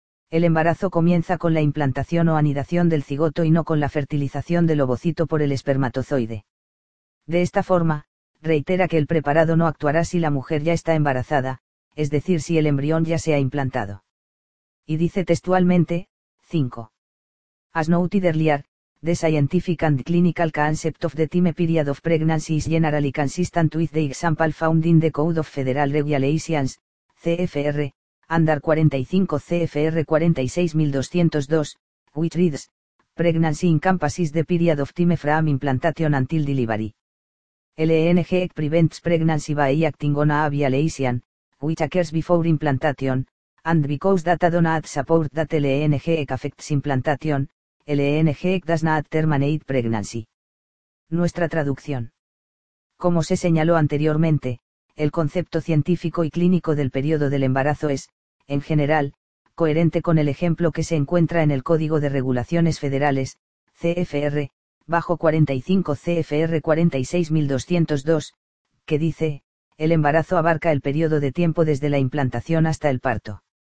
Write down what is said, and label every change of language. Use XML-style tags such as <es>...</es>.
<es>El embarazo comienza con la implantación o anidación del cigoto y no con la fertilización del ovocito por el espermatozoide. De esta forma, reitera que el preparado no actuará si la mujer ya está embarazada, es decir, si el embrión ya se ha implantado. Y dice textualmente, 5.</es> <en>As noted earlier, the scientific and clinical concept of the time period of pregnancy is generally consistent with the example found in the Code of Federal Regulations, CFR, under 45 CFR 46202, which reads, pregnancy encompasses the period of time from implantation until delivery. LNG Act prevents pregnancy by acting on a avia lesion, which occurs before implantation, and because data do not support that LNG Act affects implantation, LNG Act does not terminate pregnancy.</en> <es>Nuestra traducción. Como se señaló anteriormente, el concepto científico y clínico del periodo del embarazo es, en general, coherente con el ejemplo que se encuentra en el Código de Regulaciones Federales, CFR, bajo 45 CFR 46202, que dice, el embarazo abarca el periodo de tiempo desde la implantación hasta el parto.</es>